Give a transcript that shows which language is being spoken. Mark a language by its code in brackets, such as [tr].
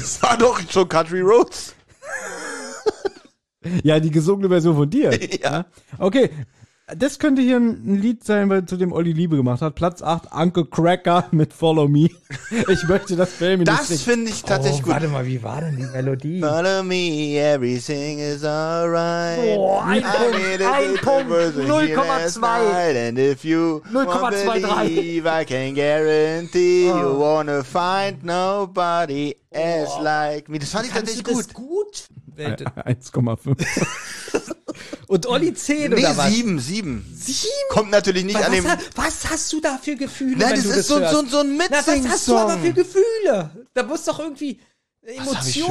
[de] Das war doch schon Country Roads. Ja, die gesungene Version von dir. Ja. Okay. Das könnte hier ein Lied sein, weil zu dem Olli Liebe gemacht hat. Platz 8, Uncle Cracker mit Follow Me. Ich möchte das filmen. Das finde ich tatsächlich gut. Warte mal, wie war denn die Melodie? [en] Follow me, everything is alright. [de] Oh, ein Punkt, 0,2. [en] And if you [de] 0,23. [en] I can guarantee you wanna find nobody as like me. [de] Das fand ich tatsächlich gut. Das gut? 1,5. Und Olli 10 nee, oder was? Nee, 7. 7? Kommt natürlich nicht was an dem... Was hast du da für Gefühle, nein, wenn das du ist das so ein Mitsing-Song. Was hast du aber für Gefühle? Da muss doch irgendwie Emotionen...